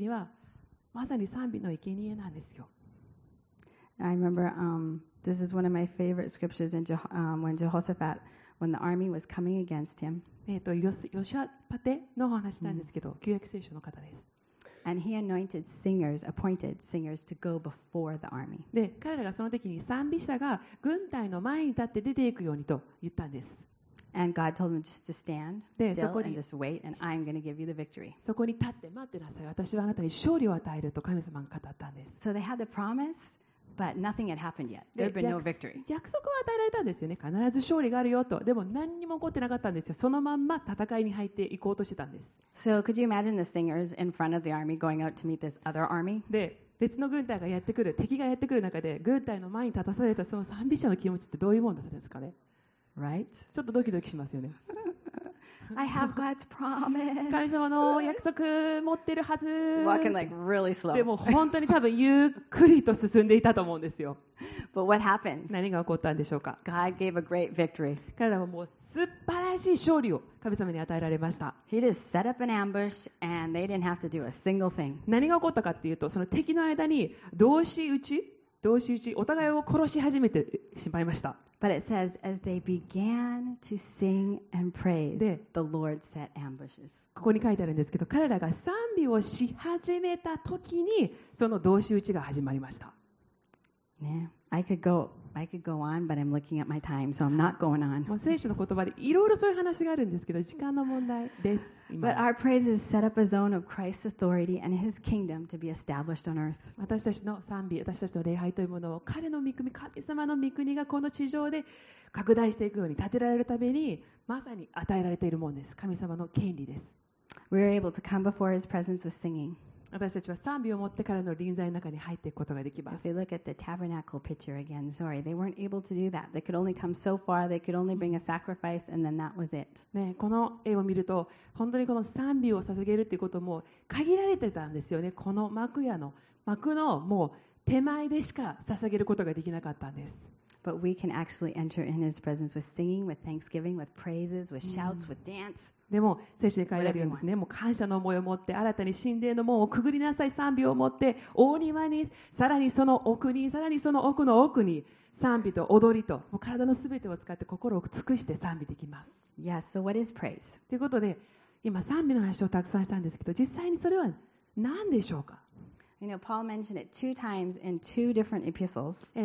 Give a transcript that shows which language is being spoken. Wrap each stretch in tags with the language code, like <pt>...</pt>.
<ja>にはまさに賛美の生贄なんですよ。</ja> <en>I remember, this is one of my favorite scriptures in when Jehoshaphat when the army was coming against him.</en> <ja>ヨシャパテの話なんですけど、旧約聖書の方です。</ja> <en>And he anointed singers, appointed singers to go before the army.</en> <ja>で、彼らがその時に賛美者が軍隊の前に立って出ていくようにと言ったんです。</ja> <en>And God told him just to stand still and just wait, and I'm going to give you the victory.</en> <ja>そこに立って待ってなさい。私はあなたに勝利を与えると神様が語ったんです。</ja> <en>So they had the promise, but nothing had happened yet. There had been no victory.</en> <ja>約束は与えられたんですよね。必ず勝利があるよと。でも何にも起こってなかったんですよ。そのまんま戦いに入っていこうとしてたんです。</ja> <en>So could you imagine the singers in front of the army going out to meet this other army?</en> <ja>で、別の軍隊がやってくる、敵がやってくる中で、軍隊の前に立たされたその賛美者の気持ちってどういうものだったんですかね。</ja> <en>Right?</en> <ja>ちょっとドキドキしますよね。</ja> <en>I have God's promise.</en> <ja>神様の約束持ってるはず。</ja> <en>Walking like really slow.</en> <ja>でも本当に多分ゆっくりと進んでいたと思うんですよ。</ja> <en>But what happened?</en> <ja>何が起こったんでしょうか。</ja> <en>God gave a great victory.</en> <ja>彼らはもう素晴らしい勝利を神様に与えられました。</ja> <en>He just set up an ambush and they didn't have to do a single thing.</en> <ja>何が起こったかっていうと、その敵の間に同士打ち、同士打ち、お互いを殺し始めてしまいました。</ja> <en>But it says, as they began to sing and praise, the Lord set ambushes.</en> <ja>ここに書いてあるんですけど、彼らが賛美をし始めた時に、その同士打ちが始まりました。</ja> <en>ね、I could go on, but I'm looking at my time, so I'm not going on.</en> <ja>聖書の言葉でいろいろそういう話があるんですけど、時間の問題です。</ja> <en>But our praise is set up a zone of Christ's authority and His kingdom to be established on earth.</en> <ja>私たちの賛美、私たちの礼拝というものを彼の御国、神様の御国がこの地上で拡大していくように建てられるためにまさに与えられているものです。神様の権利です。</ja> <en>We are able to come before His presence with singing.</en> <ja>私たちは賛美を持ってからの臨在の中に入っていくことができます。</ja> <en>If you look at the tabernacle picture again, sorry, they weren't able to do that. They could only come so far. They could only bring a sacrifice, and then that was it.</en> <ja>ね、この絵を見ると本当にこの賛美を捧げるということも限られてたんですよね。この幕のもう手前でしか捧げることができなかったんです。</ja> <en>But we can actually enter in His presence with singing, with thanksgiving, with praises, with shouts, with dance.</en> <ja>でも聖書に書いてあるようにですね、もう感謝の思いを持って新たに神殿の門をくぐりなさい、賛美を持って大庭に、さらにその奥に、さらにその奥の奥に賛美と踊りと、もう体のすべてを使って心を尽くして賛美できます。</ja> <en>Yes, so what is praise?</en> <ja>ということで今賛美の話をたくさんしたんですけど、実際にそれは何でしょうか。</ja> <en>You know, Paul mentioned it two times in two different epistles.</en>